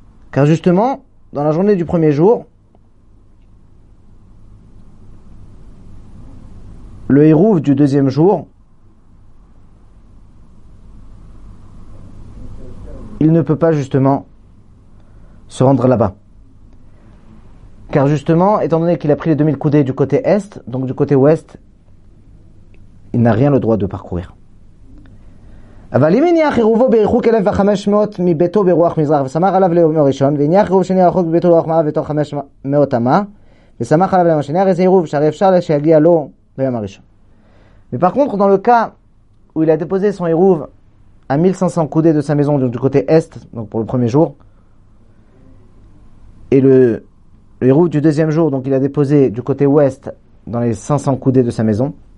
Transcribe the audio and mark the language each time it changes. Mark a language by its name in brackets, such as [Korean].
[French] Car justement, dans la journée du premier jour, le Hirouv du deuxième jour, il ne peut pas justement se rendre là-bas. Car justement, étant donné qu'il a pris les 2000 coudées du côté est, donc du côté ouest, il n'a rien le droit de parcourir. [Hebrew] אבל אם יניח עירובו ברחוק 1500 מביתו ברוח מזרח וסמך עליו ליום הראשון, ויניח עירוב שני רחוק מביתו ברוח מערב ותוך 500 אמה, וסמך עליו ליום השני, הרי זה עירוב שהרי אפשר שיגיע לו ביום הראשון. [French] Mais par contre, dans le cas où il a déposé son עירוב à 1500 coudées de sa maison du côté est, donc pour le premier jour, et le Hirouv du deuxième jour, donc il a déposé du côté ouest dans les 500 coudées de sa maison.